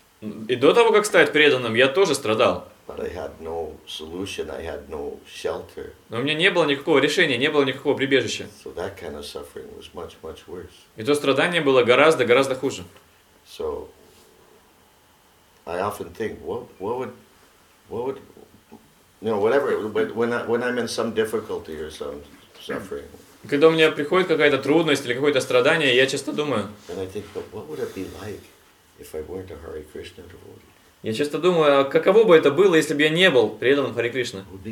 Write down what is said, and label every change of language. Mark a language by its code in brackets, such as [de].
[ru] И до того, как стать преданным, я тоже страдал. [en] But I had no solution, I had no shelter. [ru] Но у меня не было никакого решения, не было никакого прибежища. [en] So that kind of suffering was much, much worse. [ru] И то страдание было гораздо, гораздо хуже. [en] So I often think, what would, you know, whatever, when I'm in some difficulty or some suffering. [ru] Когда у меня приходит какая-то трудность или какое-то страдание, я часто думаю. [en] And I think, but what would it be like if I weren't a Hare Krishna devotee? [ru] Я часто думаю, а каково бы это было, если бы я не был преданным Хари Кришна?